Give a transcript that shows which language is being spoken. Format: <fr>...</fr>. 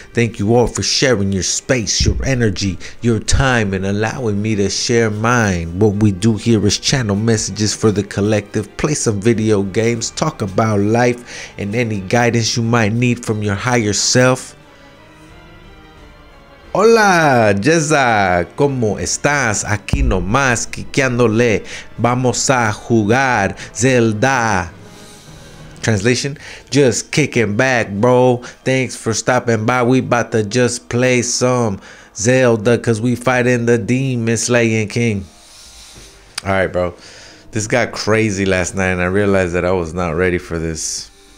<en>Thank you all for sharing your space, your energy, your time, and allowing me to share mine. What we do here. Here is channel messages for the collective, play some video games, talk about life and any guidance you might need from your higher self.</en> <es>Hola, Jezza, ¿cómo estás? Aquí nomás, quiqueándole, vamos a jugar Zelda.</es> <en>Translation, just kicking back, bro. Thanks for stopping by. We about to just play some Zelda because we fighting the demon slaying king. All right, bro, this got crazy last night and I realized that I was not ready for this.</en>